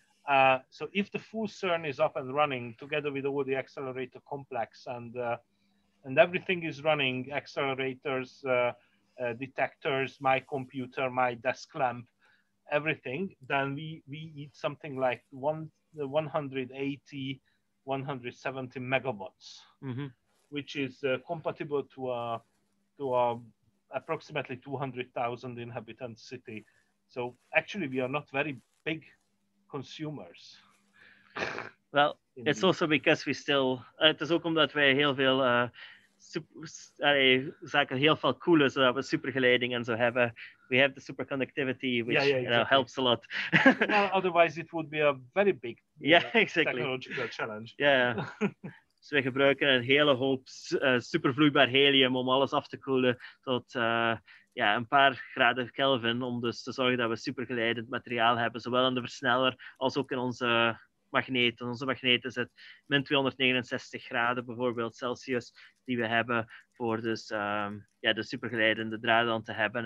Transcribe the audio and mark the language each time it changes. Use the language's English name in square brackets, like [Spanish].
[English] So if the full CERN is up and running together with all the accelerator complex and everything is running, accelerators, detectors, my computer, my desk lamp, everything, then we eat something like 180, 170 megawatts, which is compatible to a approximately 200,000 inhabitant city. So actually, we are not very big consumers. Well, it's also because we still... It is also because we have a lot of... [Dutch] exactly heel veel cooler zodat we supergeleiding en zo hebben. [English] We have the superconductivity, which helps a lot. Well, otherwise it would be a very big technological challenge. Yeah. [Dutch] Dus we gebruiken een hele hoop supervloeibaar helium om alles af te koelen tot een paar graden Kelvin, om dus te zorgen dat we supergeleidend materiaal hebben, zowel in de versneller als ook in onze magneten. Onze magneten zit min 269 graden bijvoorbeeld Celsius, die we hebben voor dus de supergeleidende draden dan te hebben.